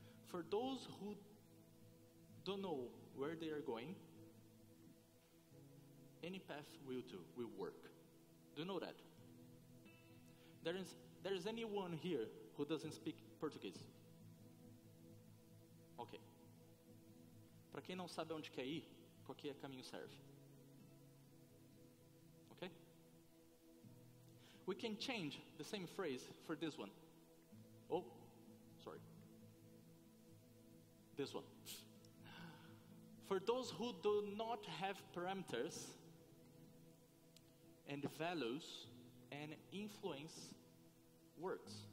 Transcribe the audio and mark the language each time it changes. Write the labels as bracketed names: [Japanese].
[English] For those who don't know where they are going, any path will work. Do you know that? There is anyone here who doesn't speak Portuguese? Ok. [Portuguese] Para quem não sabe onde quer ir, qualquer caminho serve. [English] Ok? We can change the same phrase for this one. Oh, sorry. This one. For those who do not have parameters and values and influence works.